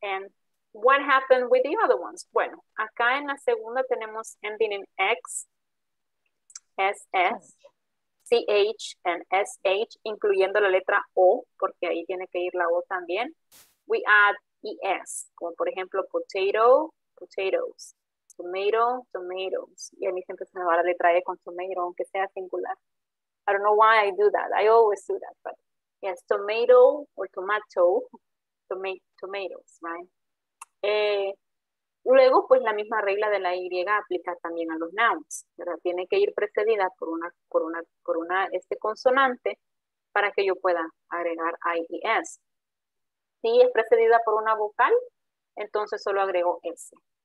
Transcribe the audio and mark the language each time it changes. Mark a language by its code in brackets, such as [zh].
[en] And what happened with the other ones? [es] Bueno, acá en la segunda tenemos ending in X, SS, CH, and SH, incluyendo la letra O, porque ahí tiene que ir la O también. [en] We add ES, [es] como por ejemplo [en] potato, potatoes. [es] tomato, tomatoes. Y a mí siempre se me va la letra E con tomato, aunque sea singular. [en] I don't know why I do that. I always do that, but yes, tomato or tomato, tomatoes, right? [es] Luego, pues la misma regla de la Y aplica también a los nouns, ¿verdad? Tiene que ir precedida por una este consonante para que yo pueda agregar IES. Si es precedida por una vocal, entonces solo agrego S.